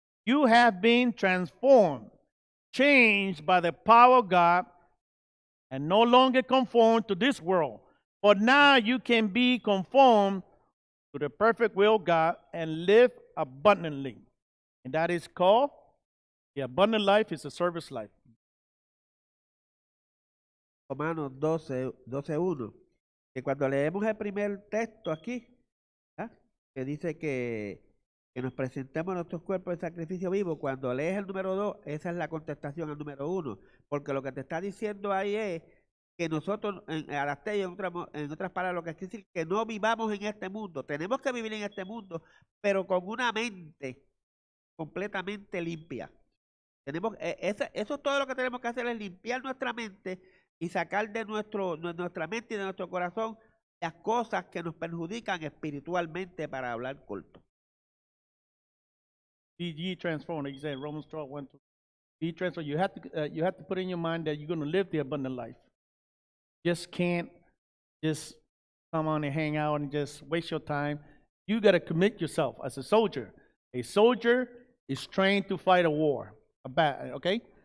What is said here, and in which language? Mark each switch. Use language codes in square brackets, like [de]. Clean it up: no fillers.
[en] You have been transformed, changed by the power of God, and no longer conformed to this world. But now you can be conformed to the perfect will of God and live abundantly. And that is called the abundant life is a service life. [es] Romanos 12, 12.1, que cuando leemos el primer texto aquí, ¿verdad? Que dice que nos presentemos nuestros cuerpos de sacrificio vivo, cuando lees el número 2, esa es la contestación al número 1, porque lo que te está diciendo ahí es que nosotros, en otras palabras, lo que quiere decir que no vivamos en este mundo, tenemos que vivir en este mundo, pero con una mente completamente limpia. Eso es todo lo que tenemos que hacer, es limpiar nuestra mente y sacar de nuestra mente y de nuestro corazón las cosas que nos perjudican espiritualmente para hablar corto. [en] Be transformed, like you said, Romans 12, 1, 2. Be transformed. You have to put in your mind that you're going to live the abundant life. Just can't just come on and hang out and just waste your time. You got to commit yourself as a soldier. A soldier is trained to fight a war, a battle, okay?